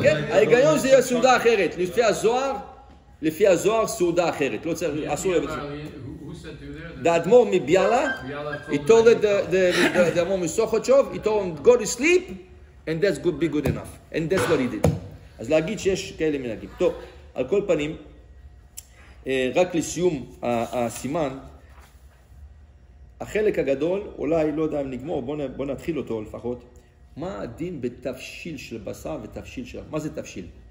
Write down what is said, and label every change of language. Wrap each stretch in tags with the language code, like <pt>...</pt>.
<he>ההיגיון זה יהיה סעודה אחרת, לפי הזוהר סעודה אחרת, לא צריך, אסור לבית זה.</he> <en>The Admor Mibiala, he told the Admor Misochotchov, he told him, go to sleep, and that's good, be good enough. And that's what he did.</en> <he>אז להגיד שיש כאלה מנהגים. טוב, על כל פנים, רק לסיום הסימן, החלק הגדול, אולי לא יודע אם נגמור, בוא נתחיל אותו לפחות, מה הדין בתבשיל של בשר ותבשיל של... מה זה תבשיל?</he>